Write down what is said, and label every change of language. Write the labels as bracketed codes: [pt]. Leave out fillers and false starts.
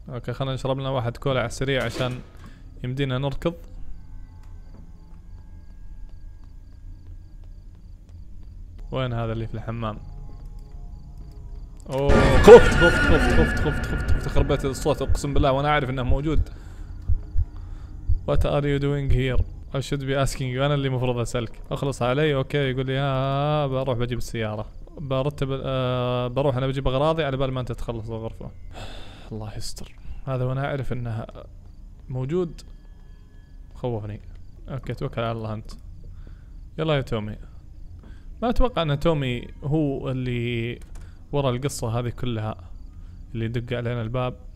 [ar] أوكي، خلنا نشرب لنا واحد كولا على السريع عشان يمدينا نركض. وين هذا اللي في الحمام؟ خفت خفت خفت خفت خفت خفت خفت، خربت الصوت أقسم بالله، وأنا أعرف إنه موجود. [en] What are you doing here? I should be asking you. [ar] أنا اللي مفروض أسألك. أخلص علي. أوكي، يقول لي بروح بجيب السيارة، برتب بروح انا بجيب اغراضي على بال ما انت تخلص الغرفه. الله يستر، هذا وانا اعرف انه موجود خوفني. اوكي، توكل على الله انت. يلا يا تومي. ما اتوقع ان تومي هو اللي ورا القصه هذه كلها، اللي يدق علينا الباب.